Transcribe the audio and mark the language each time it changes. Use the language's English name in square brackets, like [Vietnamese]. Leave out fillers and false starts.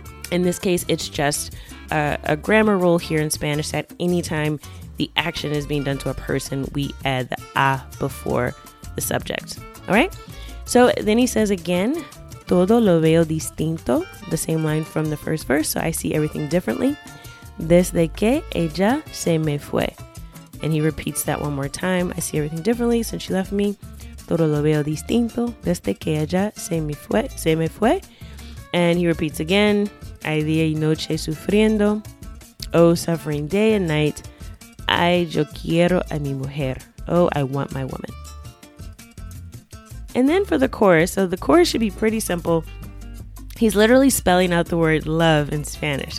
[English] In this case, it's just a grammar rule here in Spanish that anytime the action is being done to a person, we add the a before the subject. All right, so then he says again, [Spanish] todo lo veo distinto, [English] the same line from the first verse. So I see everything differently. [Spanish] Desde que ella se me fue. [English] And he repeats that one more time. I see everything differently since she left me. [Spanish] Todo lo veo distinto desde que ella se me fue. [English] And he repeats again. [Spanish] Hay día y noche sufriendo. [English] Oh, suffering day and night. [Spanish] Ay, yo quiero a mi mujer. [English] Oh, I want my woman. And then for the chorus. So the chorus should be pretty simple. He's literally spelling out the word love in Spanish.